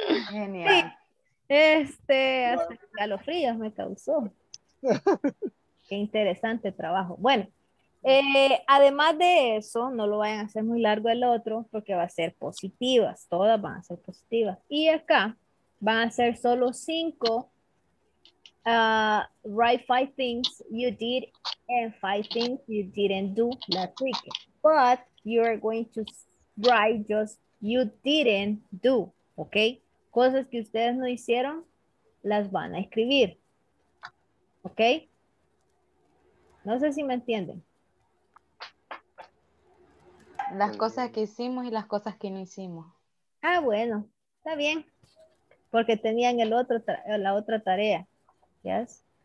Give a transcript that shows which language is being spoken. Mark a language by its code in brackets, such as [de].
[es] Genial. Sí. Este, hasta escalofríos me causó. Qué interesante trabajo. Bueno, además de eso, no lo vayan a hacer muy largo el otro, porque va a ser positivas, todas van a ser positivas. Y acá van a ser solo 5. [en] Write 5 things you did and 5 things you didn't do last week. But you're going to write just you didn't do, okay? [es] Cosas que ustedes no hicieron, las van a escribir. ¿Ok? No sé si me entienden. Las cosas que hicimos y las cosas que no hicimos. Ah, bueno. Está bien. Porque tenían el otro la otra tarea. ¿Yes?